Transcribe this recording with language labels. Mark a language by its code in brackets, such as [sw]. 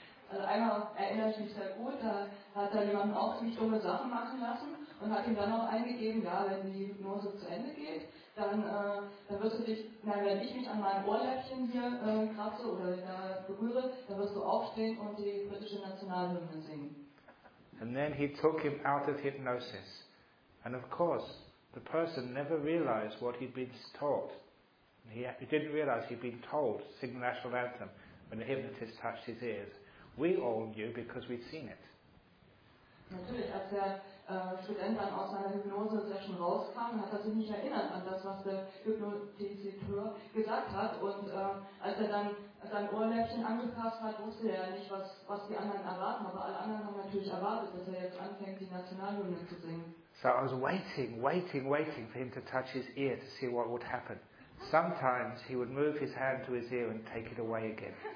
[de] Also einmal erinnere ich mich sehr gut, da hat er jemanden auch ziemlich dumme Sachen machen lassen und hat ihm dann auch eingegeben, ja, wenn die Hypnose zu Ende geht, dann wirst du dich, nein, wenn ich mich an meinem Ohrläppchen hier kratze oder berühre, dann wirst du aufstehen und die britische Nationalhymne singen. [en] And then he took him out of hypnosis. And of course, the person never realized what he'd been taught. He didn't realize he'd been told to sing the national anthem when the hypnotist touched his ears. We all knew because we'd seen it. [de] Natürlich, als der Student dann aus seiner Hypnose-Session rauskam, hat er sich nicht erinnert an das, was der Hypnotiseur gesagt hat. Und als er dann sein Ohrläppchen angepasst hat, wusste er nicht, was die anderen erwarten. Aber alle anderen haben natürlich erwartet, dass er jetzt anfängt, die Nationalhymne zu singen. [en] So I was waiting for him to touch his ear to see what would happen. Sometimes he would move his hand to his ear and take it away again.